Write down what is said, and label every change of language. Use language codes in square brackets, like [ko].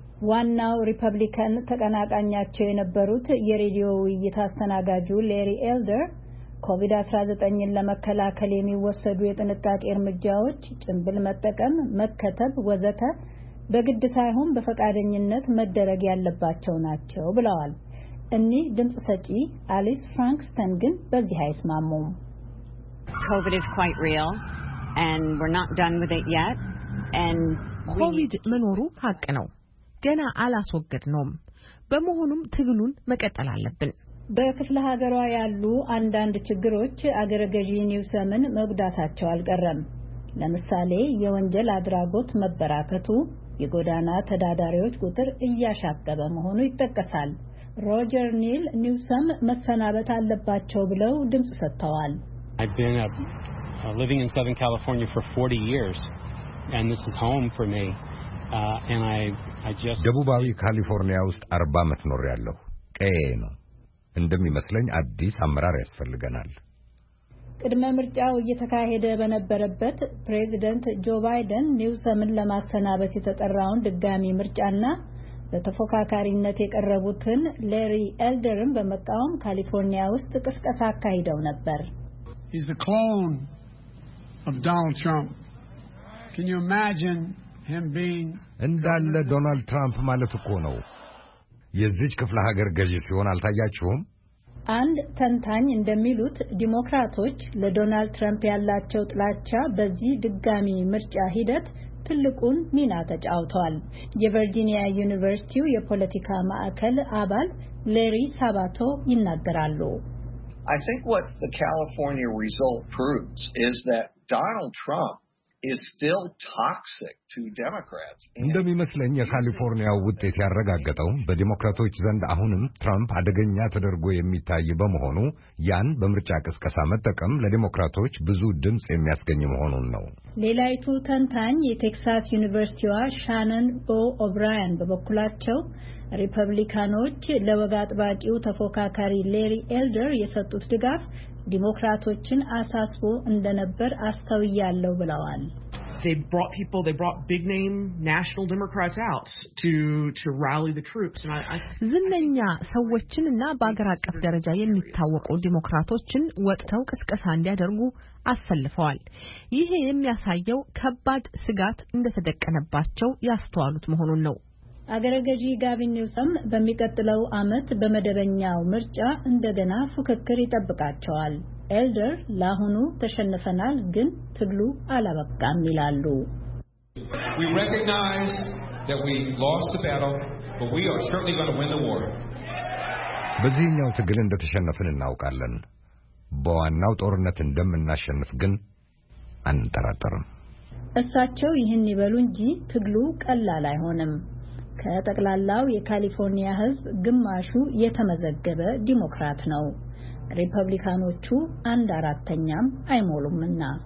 [am] ዋናው ሪፐብሊካን ተቀናቃኛቸው የነበሩት የሬዲዮ ውይይት አስተናጋጁ ሌሪ ኤልደር ኮቪድ-19ን ለመከላከል የሚወሰዱ የጥንቃቄ እርምጃዎች ጭንብል መጠቀም፣ መከተብ ወዘተ በግድ ሳይሆን በፈቃደኝነት መደረግ ያለባቸው ናቸው ብለዋል። እኒህ ድምጽ ሰጪ አሊስ ፍራንክስተን ግን በዚህ አይስማሙም። [en] ኮቪድ is quite real and we're not done with it yet. And [am] ኮቪድ መኖሩ ፋቅ ነው። ገና አላስወገድነውም። በመሆኑም ትግሉን መቀጠል አለብን። በክፍለ ሀገሯ ያሉ አንዳንድ ችግሮች አገረ ገዢ ኒውሰምን መግዳታቸው አልቀረም። ለምሳሌ የወንጀል አድራጎት መበራከቱ፣ የጎዳና ተዳዳሪዎች ቁጥር እያሻቀበ መሆኑ ይጠቀሳል። ሮጀር ኒል ኒውሰም መሰናበት አለባቸው ብለው ድምጽ ሰጥተዋል። [en] I've been living in Southern California for 40 years. And this is home for me. And I just [am] ደቡባዊ ካሊፎርኒያ ውስጥ 40 ዓመት ኖር ያለሁ ቀዬ ነው። እንደሚመስለኝ አዲስ አመራር ያስፈልገናል። ቅድመ ምርጫው እየተካሄደ በነበረበት ፕሬዝዳንት ጆ ባይደን ኒውሰምን ለማስተናበት የተጠራውን ድጋሚ ምርጫና በተፎካካሪነት የቀረቡትን ሌሪ ኤልደርን በመቃወም ካሊፎርኒያ ውስጥ ቅስቀሳ አካሂደው ነበር። [en] He's a clone of Donald Trump. Can you imagine him being [am] እንዳለ ዶናልድ ትራምፕ ማለት እኮ ነው። የዚህ ክፍለ ሀገር ገዢ ሲሆን አልታያችሁም? አንድ ተንታኝ እንደሚሉት ዲሞክራቶች ለዶናልድ ትራምፕ ያላቸው ጥላቻ በዚህ ድጋሚ ምርጫ ሂደት ትልቁን ሚና ተጫውቷል። የቨርጂኒያ ዩኒቨርሲቲው የፖለቲካ ማዕከል አባል ሌሪ ሳባቶ ይናገራሉ። [en] I think what the California result proves is that Donald Trump is still toxic to Democrats. [am] እንደሚመስለኝ የካሊፎርኒያ ውጤት ያረጋገጠው በዲሞክራቶች ዘንድ አሁንም ትራምፕ አደገኛ ተደርጎ የሚታይ በመሆኑ ያን በመርጫ ቅስቀሳ መጠቀም ለዲሞክራቶች ብዙ ድምጽ የሚያስገኝ መሆኑን ነው። ሌላይቱ ተንታኝ የቴክሳስ ዩኒቨርሲቲዋ ሻነን ኦ ኦብራይን በበኩላቸው ሪፐብሊካኖች ለወጋጥባቂው ተፎካካሪ ሌሪ ኤልደር የሰጡት ድጋፍ ዲሞክራቶችን አሳስቦ እንደነበር አስተውያለሁ ብለዋል። [en] They brought big name national democrats out to rally the troops and I [am] ዝነኛ ሰዎችንና በአገር አቀፍ ደረጃ የሚታወቁ ዲሞክራቶችን ወጥተው ቅስቀሳ እንዲያደርጉ አሰልፈዋል። ይሄ የሚያሳየው ከባድ ስጋት እንደተደቀነባቸው ያስተዋሉት መሆኑን ነው። አገረ ገዢ ጋቪን ኒውሰም በሚቀጥለው አመት በመደበኛው ምርጫ እንደገና ፉክክር ይጠብቃቸዋል። ኤልደር ላሁኑ ተሸንፈናል ግን ትግሉ አላበቃም ይላሉ። [en] We recognize that we lost the battle, but we are certainly going to win the war. [am] በዚህኛው ትግል እንደተሸነፍን እናውቃለን። በዋናው ጦርነት እንደምናሸንፍ ግን አንጠራጠርም። እሳቸው ይህን ይበሉ እንጂ ትግሉ ቀላል አይሆንም። ከጠቅላላው የካሊፎርኒያ ህዝብ ግማሹ የተመዘገበ ዲሞክራት ነው። ሪፐብሊካኖቹ አንድ አራተኛም አይሞሉምና።